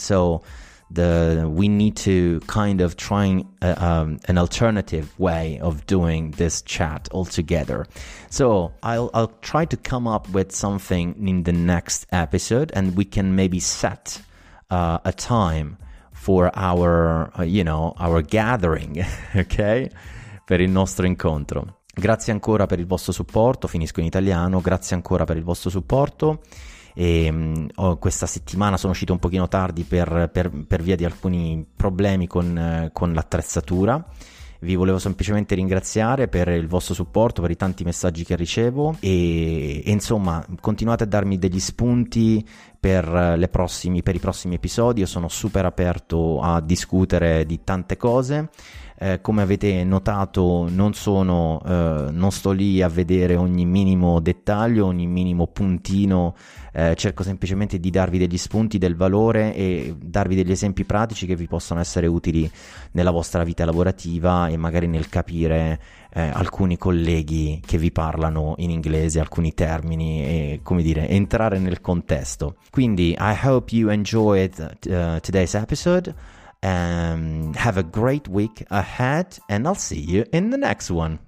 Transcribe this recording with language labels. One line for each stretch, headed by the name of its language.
English: So we need to kind of try an alternative way of doing this chat altogether. So I'll try to come up with something in the next episode, and we can maybe set a time for our, you know, our gathering, okay?
Italian: Per il nostro incontro. Grazie ancora per il vostro supporto. Finisco in italiano. Grazie ancora per il vostro supporto. E questa settimana sono uscito un pochino tardi per via di alcuni problemi con l'attrezzatura. Vi volevo semplicemente ringraziare per il vostro supporto, per i tanti messaggi che ricevo, e insomma, continuate a darmi degli spunti per i prossimi episodi. Io sono super aperto a discutere di tante cose. Come avete notato, non sto lì a vedere ogni minimo dettaglio, ogni minimo puntino, cerco semplicemente di darvi degli spunti, del valore, e darvi degli esempi pratici che vi possono essere utili nella vostra vita lavorativa e magari nel capire alcuni colleghi che vi parlano in inglese alcuni termini e, come dire, entrare nel contesto. Quindi
English: I hope you enjoyed today's episode. Have a great week ahead and I'll see you in the next one.